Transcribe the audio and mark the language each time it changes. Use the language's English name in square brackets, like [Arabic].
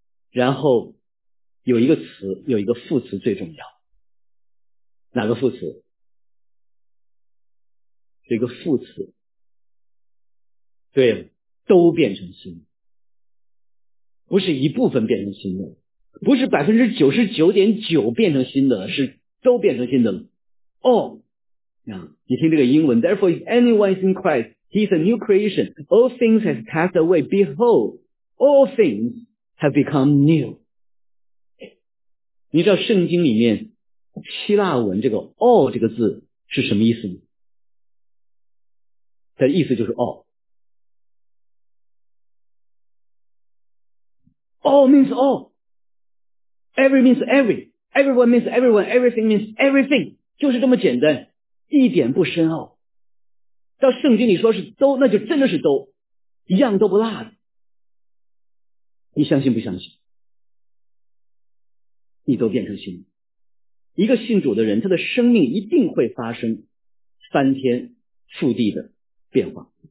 [Chinese] 然后有一个词，有一个副词最重要。哪个副词？这个副词，对，都变成新，不是一部分变成新的，不是 99.9% 变成新的，是都变成新的了。 [English] All， [Chinese] 你听这个英文， [English] Therefore if anyone is in Christ, he is a new creation. All things have passed away. Behold, all things have become new. [Chinese] 你知道圣经里面希腊文这个 all 这个字是什么意思吗？它的意思就是 all。 [English] All means all. Every means every. Everyone means everyone. Everything means everything. [Chinese] 就是这么简单，一点不深奥。到圣经里说是都，那就真的是都，一样都不落的。你相信不相信？你都变成新。一个信主的人，他的生命一定会发生翻天覆地的变化。